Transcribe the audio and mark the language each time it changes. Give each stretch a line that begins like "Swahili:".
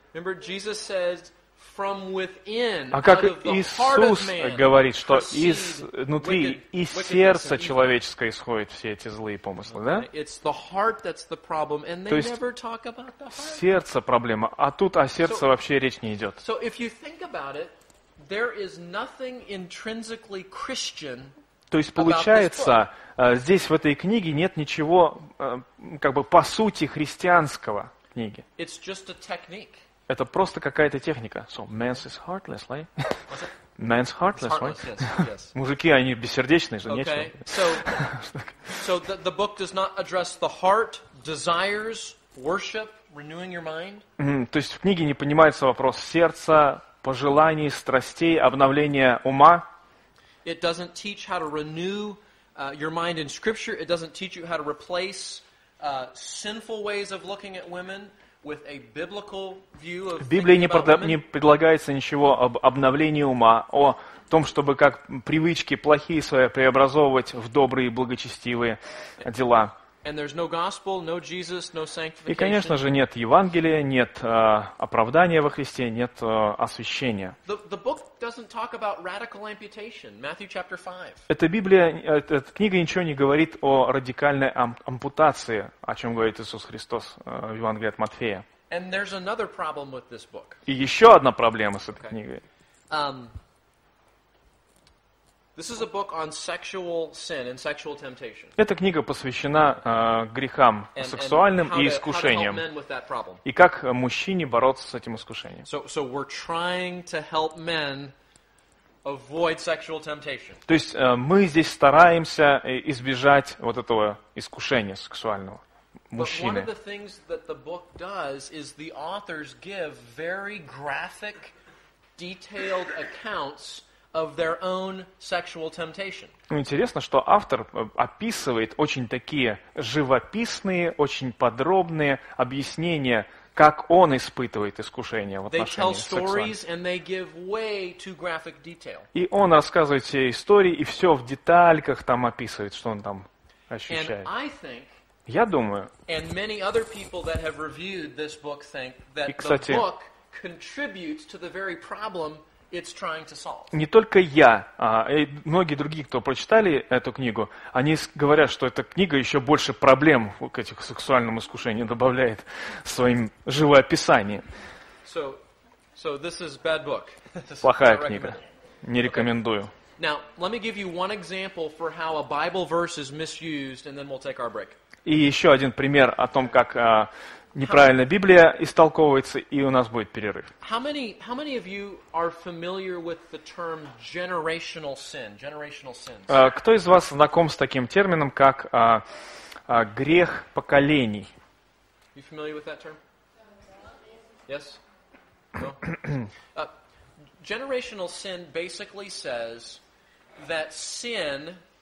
English: Remember, Jesus says. From within,
Russian: а как Иисус говорит, что изнутри, из сердца человеческого исходят все эти злые помыслы, да? То есть сердце проблема, а тут о сердце вообще речь не идет.
English: So if you think about it, there is nothing intrinsically Christian.
Russian: То есть получается, здесь в этой книге нет ничего, как бы по сути христианского книги.
English: It's just a technique.
Russian: Это просто какая-то техника.
English: So, man's is heartless, right? Man's heartless, right? Heartless, yes.
Russian: Мужики, они бессердечные же,
English: okay.
Russian: Нечего.
English: So, the book does not address the heart, desires, worship, renewing your mind?
Russian: То есть в книге не понимается вопрос сердца, пожеланий, страстей, обновления ума?
English: It doesn't teach how to renew your mind in Scripture. It doesn't teach you how to replace sinful ways of looking at women. With a biblical view of
Russian: в Библии не предлагается ничего об обновлении ума, о том, чтобы как привычки плохие свои преобразовывать в добрые и благочестивые дела.
English: And there's no gospel, no Jesus, no sanctification.
Russian: И, конечно же, нет Евангелия, нет оправдания во Христе, нет освящения.
English: The book doesn't talk about radical amputation, Matthew chapter 5.
Russian: Эта книга ничего не говорит о радикальной ампутации, о чем говорит Иисус Христос в Евангелии от Матфея.
English: And there's another problem with this book.
Russian: И еще одна проблема с этой книгой.
English: This is a book on sexual sin and sexual temptation.
Russian: Эта книга посвящена грехам сексуальным и искушениям.
English: How to help men with that problem.
Russian: И как мужчине бороться с этим искушением.
English: So we're trying to help men avoid sexual temptation.
Russian: То есть мы здесь стараемся избежать вот этого искушения сексуального. Мужчины.
English: But one of the things that the book does is the authors give very graphic, detailed accounts of their own sexual temptation.
Russian: Интересно, что автор описывает очень такие живописные, очень подробные объяснения, как он испытывает искушение в отношении секса. И он рассказывает все истории и все в детальках там описывает, что он там ощущает.
English: And I think,
Russian: Я думаю.
English: And many other people that have reviewed this book think that the book contributes to the very problem it's trying to solve.
Russian: Не только я, а и многие другие, кто прочитали эту книгу, они говорят, что эта книга еще больше проблем к этих сексуальным искушениям добавляет своим живоописанием.
English: So this is bad book.
Russian: Плохая книга. Не рекомендую.
English: Now, let me give you one example for how a Bible verse is misused, and then we'll take our break.
Russian: И еще один пример о том, как неправильно Библия истолковывается, и у нас будет перерыв.
English: How many of you are familiar with the term generational sin? Generational sins.
Russian: Кто из вас знаком с таким термином, как грех поколений?
English: You familiar with that term? Yes? No? Generational sin basically says that sin.